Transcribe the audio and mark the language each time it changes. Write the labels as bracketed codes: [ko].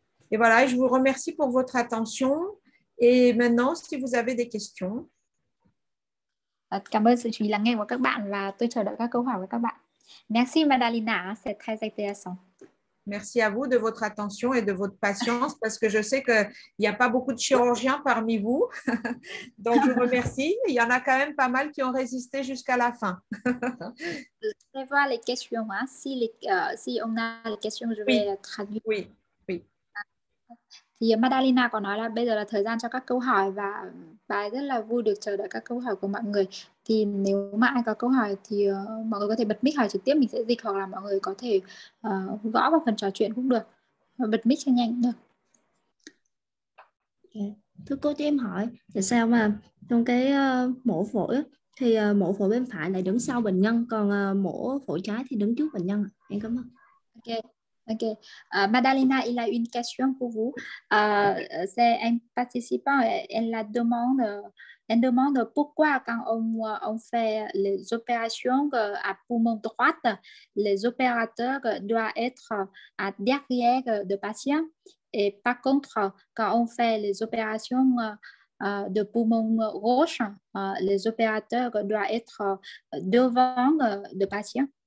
[fr] Et voilà, je vous remercie pour votre attention. Et maintenant, si vous avez des questions. [vi] Cảm ơn sự chú ý lắng nghe của các bạn và tôi chờ đợi các câu hỏi của các bạn. [fr] Merci Madalina, c'est très intéressant. Merci à vous de votre attention et de votre patience parce que je sais qu'il n'y a pas beaucoup de chirurgiens parmi vous. Donc, je vous remercie. Il y en a quand même pas mal qui ont résisté jusqu'à la fin. Je vais voir les questions. Hein. Si on a les questions, je vais traduire. Oui, oui. [vi] Thì Madalina có nói là bây giờ là thời gian cho các câu hỏi và bà rất là vui được chờ đợi các câu hỏi của mọi người. Thì nếu mà ai có câu hỏi thì mọi người có thể bật mic hỏi trực tiếp, mình sẽ dịch, hoặc là mọi người có thể gõ vào phần trò chuyện cũng được. Bật mic cho nhanh được. Thưa cô, cho em hỏi tại sao mà trong cái mổ phổi thì mổ phổi bên phải lại đứng sau bệnh nhân, còn mổ phổi trái thì đứng trước bệnh nhân? Em cảm ơn. Ok. [fr] Ok, Madalina, il a une question pour vous. C'est un participant, elle demande pourquoi quand on fait les opérations à poumon droit, les opérateurs doivent être à derrière le patient et par contre, quand on fait les opérations de poumon gauche, les opérateurs doivent être devant le patient.